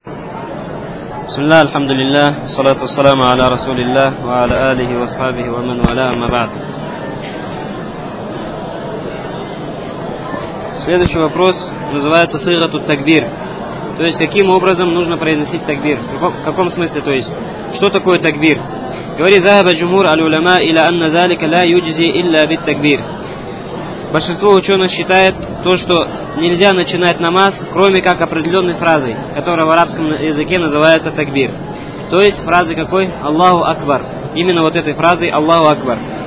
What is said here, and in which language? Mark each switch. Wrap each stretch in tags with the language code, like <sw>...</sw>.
<ar>بسم الله الحمد لله والصلاة والسلام على رسول الله وعلى آله وصحبه ومن والاه أما بعد.</ar> <ru>Следующий вопрос называется сыгату такбир. То есть, каким образом нужно произносить такбир? В каком смысле? То есть, что такое такбир? Говорит,</ru> <ar>ذهب جمهور العلماء إلى أن ذلك لا يجزي إلا بالتكبير.</ar> <ru>Большинство ученых считает то, что нельзя начинать намаз, кроме как определенной фразой, которая в арабском языке называется такбир. То есть, фразы какой? Аллаху Акбар. Именно вот этой фразой Аллаху Акбар.</ru>